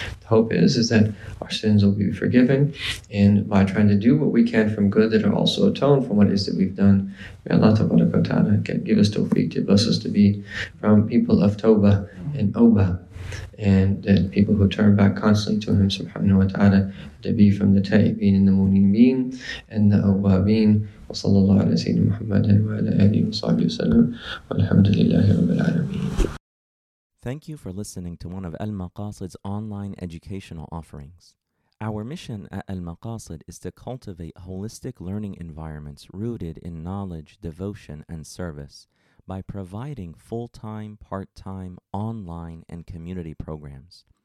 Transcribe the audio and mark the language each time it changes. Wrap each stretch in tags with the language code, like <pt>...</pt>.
<en>The hope is that our sins will be forgiven, and by trying to do what we can from good, that are also atone from what it is that we've done. May Allah tabaraka wa ta'ala give us tawfiq to bless us to be from people of tawbah and oba, and that people who turn back constantly to Him subhanahu wa ta'ala, to be from the ta'ibin and the munibin and the awwabin.</en> <ar>وصلى الله على سيدنا محمد وعلى آله وصحبه وسلم والحمد لله رب العالمين.</ar> <en>Thank you for listening to one of Al Maqasid's online educational offerings. Our mission at Al Maqasid is to cultivate holistic learning environments rooted in knowledge, devotion, and service by providing full-time, part-time, online, and community programs.</en>